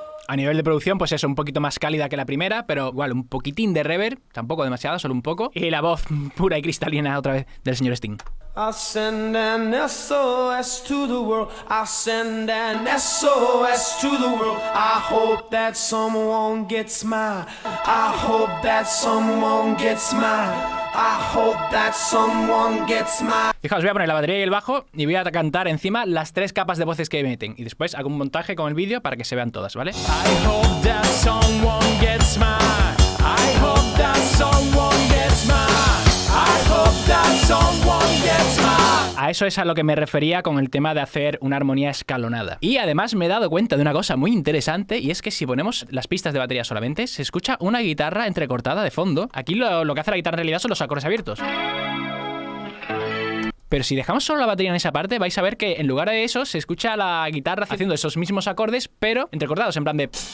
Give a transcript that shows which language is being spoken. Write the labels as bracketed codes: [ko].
[es] A nivel de producción, pues es un poquito más cálida que la primera, pero igual un poquitín de reverb, tampoco demasiado, solo un poco. Y la voz pura y cristalina otra vez del señor Sting. [en] I send an SOS to the world. I send an SOS to the world. I hope that someone gets mine. I hope that someone gets mine. I hope that someone gets my... [es] Fijaos, voy a poner la batería y el bajo y voy a cantar encima las 3 capas de voces que meten. Y después hago un montaje con el vídeo para que se vean todas, ¿vale? [en] I hope that someone gets my... I hope that someone gets my... I hope that someone gets my... [es] A eso es a lo que me refería con el tema de hacer una armonía escalonada. Y además me he dado cuenta de una cosa muy interesante, y es que si ponemos las pistas de batería solamente, se escucha una guitarra entrecortada de fondo. Aquí lo que hace la guitarra en realidad son los acordes abiertos. Pero si dejamos solo la batería en esa parte, vais a ver que en lugar de eso, se escucha la guitarra haciendo esos mismos acordes, pero entrecortados, en plan de...